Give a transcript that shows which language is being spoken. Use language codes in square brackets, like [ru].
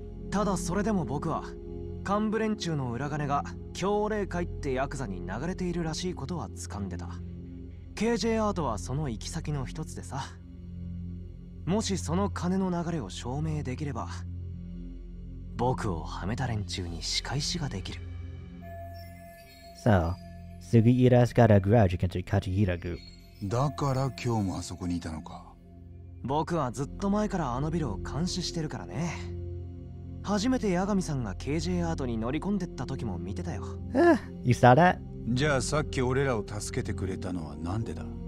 [ja] ただそれでも僕は幹部連中の裏金が強霊会ってヤクザに流れているらしいことは掴んでた。 KJ アートはその行き先の一つでさ、もしその金の流れを証明できれば僕をはめた連中に仕返しができる。 [en] So, Sugiura's got a grudge against the Kajihira group. [ja] だから今日もあそこにいたのか。僕はずっと前からあのビルを監視してるからね。初めて八神さんが KJ アートに乗り込んでった時も見てたよ。 [en] You saw that? [ja] じゃあさっき俺らを助けてくれたのはなんでだ？